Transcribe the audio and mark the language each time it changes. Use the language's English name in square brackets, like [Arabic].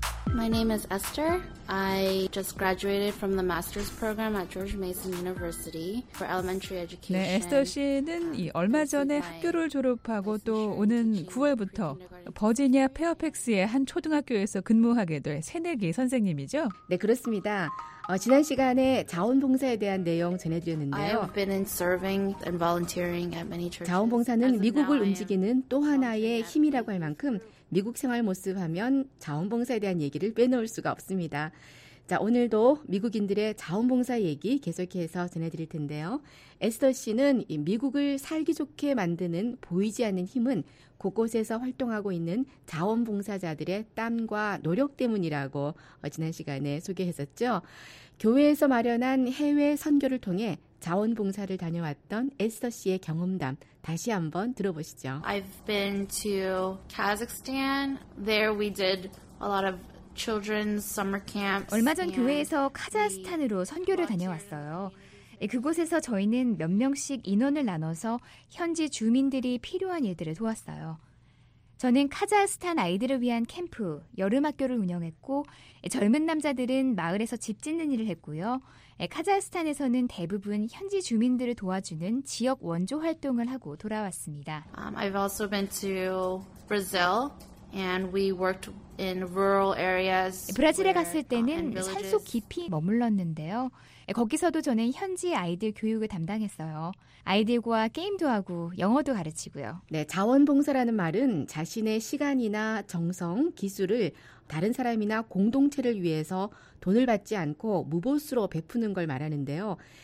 [English] My name is Esther. I just graduated from the master's program at George Mason University for elementary education. [Korean] 네, 에스터 씨는 이 얼마 전에 학교를 졸업하고 또 오는 9월부터 버지니아 페어팩스의 한 초등학교에서 근무하게 될 새내기 선생님이죠? 네, 그렇습니다. 지난 시간에 자원봉사에 대한 내용 전해드렸는데요. [English] I have been serving and volunteering at many churches. [Korean] 자원봉사는 미국을 움직이는 또 하나의 힘이라고 할 만큼 미국 생활 모습 하면 자원봉사에 대한 얘기를 빼놓을 수가 없습니다. 자, 오늘도 미국인들의 자원봉사 얘기 계속해서 전해드릴 텐데요. 에스터 씨는 이 미국을 살기 좋게 만드는 보이지 않는 힘은 곳곳에서 활동하고 있는 자원봉사자들의 땀과 노력 때문이라고 지난 시간에 소개했었죠. 교회에서 마련한 해외 선교를 통해 자원봉사를 다녀왔던 에스터 씨의 경험담 다시 한번 들어보시죠. [English] I've been to Kazakhstan. There we did a lot of children's summer camps. [Korean] 얼마 전 교회에서 카자흐스탄으로 선교를 다녀왔어요. 그곳에서 저희는 몇 명씩 인원을 나눠서 현지 주민들이 필요한 일들을 도왔어요. 저는 카자흐스탄 아이들을 위한 캠프, 여름학교를 운영했고 젊은 남자들은 마을에서 집 짓는 일을 했고요. 카자흐스탄에서는 대부분 현지 주민들을 도와주는 지역 원조 활동을 하고 돌아왔습니다. [English] I've also been to Brazil and we worked in rural areas. [Korean] 브라질에 갔을 때는 산속 깊이 머물렀는데요. 거기서도 저는 현지 아이들 교육을 담당했어요. 아이들과 게임도 하고 영어도 가르치고요. 네, 자원봉사라는 말은 자신의 시간이나 정성, 기술을 다른 사람이나 공동체를 위해서 돈을 받지 않고 무보수로 베푸는 걸 말하는데요.